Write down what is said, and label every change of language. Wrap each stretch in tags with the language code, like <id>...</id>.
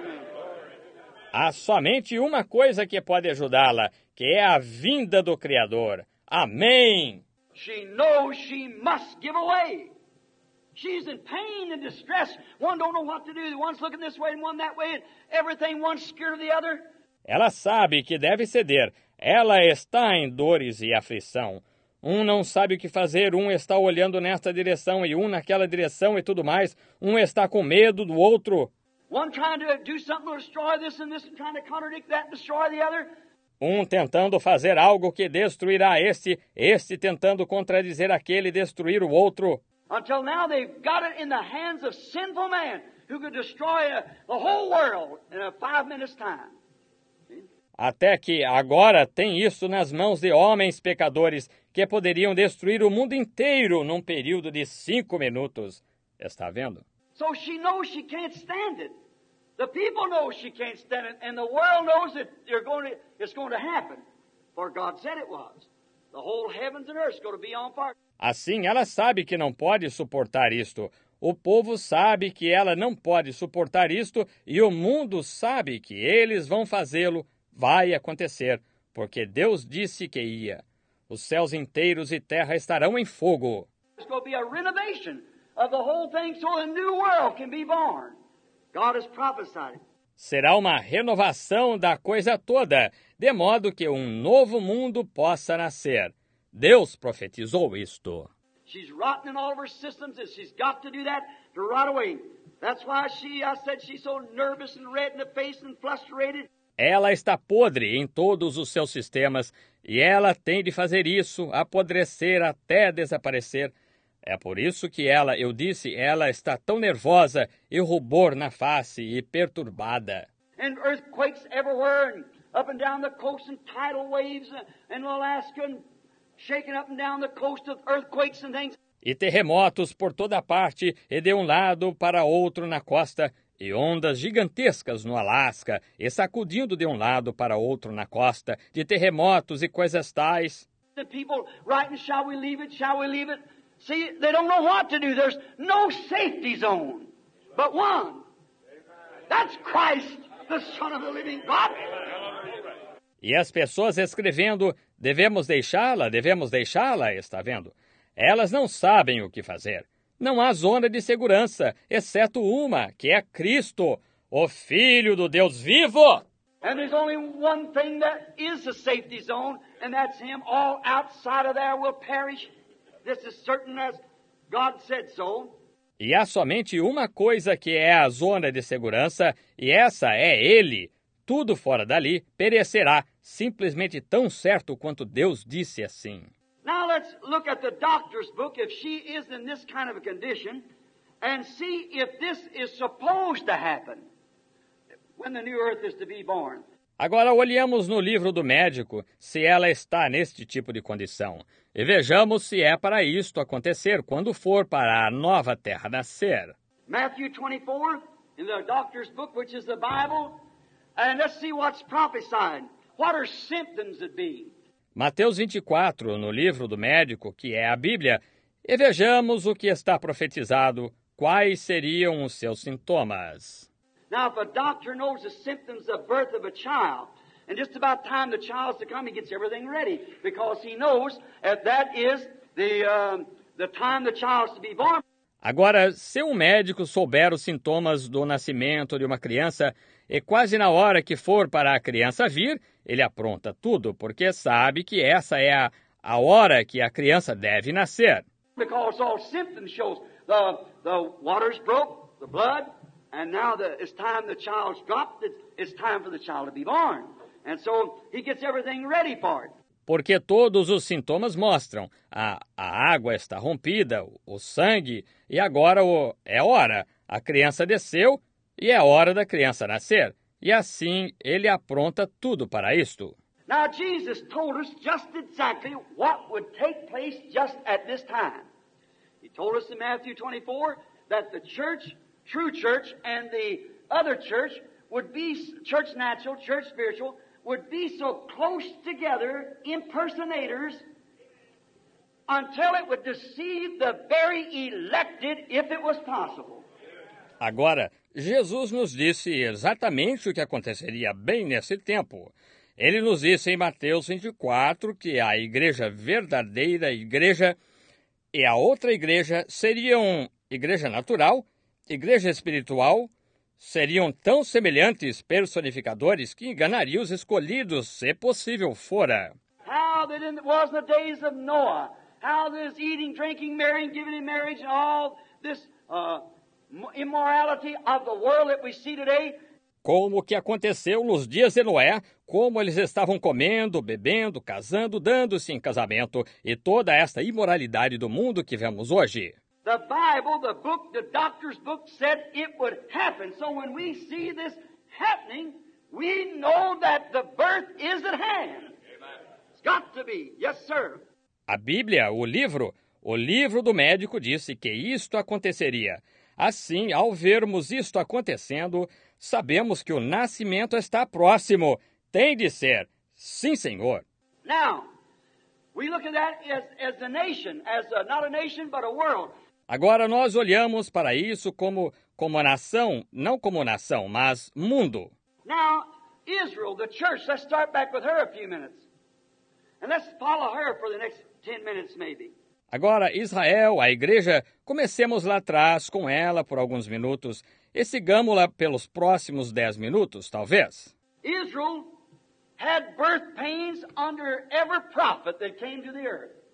<en>Amen.</en> <pt>Há somente uma coisa que pode ajudá-la, que é a vinda do Criador. Amém.</pt> <en>She knows she must give away. She's in pain and distress. One don't know what to do. One's looking this way and one that way. And everything, one's scared of the other.</en> <pt>Ela sabe que deve ceder. Ela está em dores e aflição. Um não sabe o que fazer. Um está olhando nesta direção e um naquela direção e tudo mais. Um está com medo do outro.</pt> <en>One trying to do something to destroy this and this and trying to contradict that and destroy the other.</en> <pt>Um tentando fazer algo que destruirá este. Este tentando contradizer aquele e destruir o outro.</pt> <en>Until now they've got it in the hands of sinful man who could destroy the whole world in a 5 minutes time.</en> <pt>Até que agora tem isso nas mãos de homens pecadores que poderiam destruir o mundo inteiro num período de 5 minutos. Está vendo?</pt> <en>So she knows she can't stand it. The people know she can't stand it, and the world knows that it's going to happen. For God said it was. The whole heavens and earth is going to be on fire.</en> <pt>Assim, ela sabe que não pode suportar isto. O povo sabe que ela não pode suportar isto e o mundo sabe que eles vão fazê-lo. Vai acontecer, porque Deus disse que ia. Os céus inteiros e terra estarão em fogo.</pt> <en>There's going to be a renovation of the whole thing so a new world can be born. God has prophesied.</en> <pt>Será uma renovação da coisa toda, de modo que um novo mundo possa nascer. Deus profetizou isto.</pt> <en>She's rotten in all of her systems and she's got to do that right away. That's why she's so nervous and red in the face and frustrated.</en> <pt>Ela está podre em todos os seus sistemas e ela tem de fazer isso, apodrecer até desaparecer. É por isso que ela está tão nervosa e rubor na face e perturbada.</pt> <en>And earthquakes everywhere and up and down the coast and tidal waves and Alaska and shaking up and down the coast of earthquakes and things.</en> <pt>E terremotos por toda a parte e de um lado para outro na costa. E ondas gigantescas no Alasca, e sacudindo de um lado para outro na costa, de terremotos e coisas tais.</pt> <en>The people writing, shall we leave it, shall we leave it? See, they don't know what to do. There's no safety zone but one. That's Christ, the Son of the Living God.</en> <pt>E as pessoas escrevendo, devemos deixá-la, está vendo? Elas não sabem o que fazer. Não há zona de segurança, exceto uma, que é Cristo, o Filho do Deus vivo.</pt> <en>And there's only one thing that is a safety zone, and that's Him. All outside of there will perish. This is certain as God said so.</en> <pt>E há somente uma coisa que é a zona de segurança, e essa é Ele. Tudo fora dali perecerá, simplesmente tão certo quanto Deus disse assim.</pt> <en>Now let's look at the doctor's book, if she is in this kind of a condition, and see if this is supposed to happen. When the new earth is to be born.</en> <pt>Agora olhamos no livro do médico se ela está neste tipo de condição e vejamos se é para isto acontecer quando for para a nova terra nascer.</pt> <en>Matthew 24, in the doctor's book, which is the Bible, and let's see what's prophesied. What are symptoms it be?</en> <pt>Mateus 24, no livro do médico, que é a Bíblia, e vejamos o que está profetizado, quais seriam os seus sintomas.</pt> <en>Now, if a doctor knows the symptoms of birth of a child, and just about time the child's to come, he gets everything ready, because he knows that is the time the child's to be born.</en> <pt>Agora, se um médico souber os sintomas do nascimento de uma criança, e quase na hora que for para a criança vir, ele apronta tudo, porque sabe que essa é a hora que a criança deve nascer.</pt> <en>Because all symptoms show the water's broke, the blood. And now it's time the child's dropped, it's time for the child to be born. And so he gets everything ready for it.</en> <pt>Porque todos os sintomas mostram. A água está rompida, o sangue, e agora é hora. A criança desceu e é hora da criança nascer. E assim ele apronta tudo para isto.</pt> <en>Now Jesus told us just exactly what would take place just at this time. He told us in Matthew 24 that the church... True church and the other church would be church natural, church spiritual, would be so close together, impersonators, until it would deceive the very elected, if it was possible.</en> <pt>Agora, Jesus nos disse exatamente o que aconteceria bem nesse tempo. Ele nos disse em Mateus 24 que a igreja verdadeira, igreja, e a outra igreja seriam igreja natural. Igreja espiritual seriam tão semelhantes personificadores que enganaria os escolhidos, se possível fora.</pt> <en>How that it was in the days of Noah, how this eating, drinking, marrying, giving in marriage, and all this immorality of the world that we see today.</en> <pt>Como que aconteceu nos dias de Noé, como eles estavam comendo, bebendo, casando, dando-se em casamento e toda esta imoralidade do mundo que vemos hoje.</pt> <en>The Bible, the book, the doctor's book said it would happen. So when we see this happening, we know that the birth is at hand. It's got to be. Yes, sir.</en> <pt>A Bíblia, o livro do médico disse que isto aconteceria. Assim, ao vermos isto acontecendo, sabemos que o nascimento está próximo. Tem de ser. Sim, senhor.</pt> <en>Now, we look at that as a nation, as a, not a nation, but a world.</en> <pt>Agora nós olhamos para isso como nação, não como nação, mas mundo.</pt> <en>Now, Israel, the church, let's start back with her a few minutes. And let's follow her for the next 10 minutes maybe.</en> <pt>Agora, Israel, a igreja, comecemos lá atrás com ela por alguns minutos e sigamos-la pelos próximos 10 minutos, talvez.</pt> <en>Israel had birth pains under every prophet that came to the earth.</en>